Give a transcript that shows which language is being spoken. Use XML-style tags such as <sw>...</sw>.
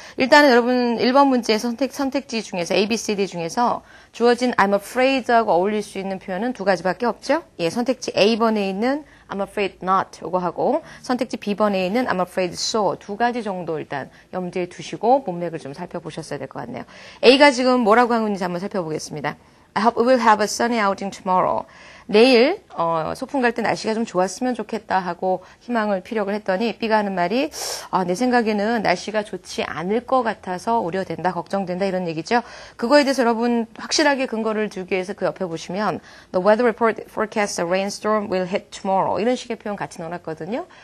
<ko>일단은 여러분 1번 문제 선택지 중에서, A, B, C, D 중에서 주어진 I'm afraid하고 어울릴 수 있는 표현은 두 가지밖에 없죠? 예, 선택지 A번에 있는</ko> <en>I'm afraid not</en> <ko>요거 하고, 선택지 B번에 있는</ko> <en>I'm afraid so</en> <ko>두 가지 정도 일단 염두에 두시고, 문맥을 좀 살펴보셨어야 될것 같네요. A가 지금 뭐라고 하는지 한번 살펴보겠습니다.</ko> <en>I hope we will have a sunny outing tomorrow.</en> <ko>내일 소풍 갈때 날씨가 좀 좋았으면 좋겠다 하고 희망을 피력을 했더니 B가 하는 말이 내 생각에는 날씨가 좋지 않을 것 같아서 우려된다, 걱정된다 이런 얘기죠. 그거에 대해서 여러분 확실하게 근거를 두기 위해서 그 옆에 보시면</ko> <en>The weather report forecasts a rainstorm will hit tomorrow</en> <ko>이런 식의 표현 같이 넣어놨거든요.</ko>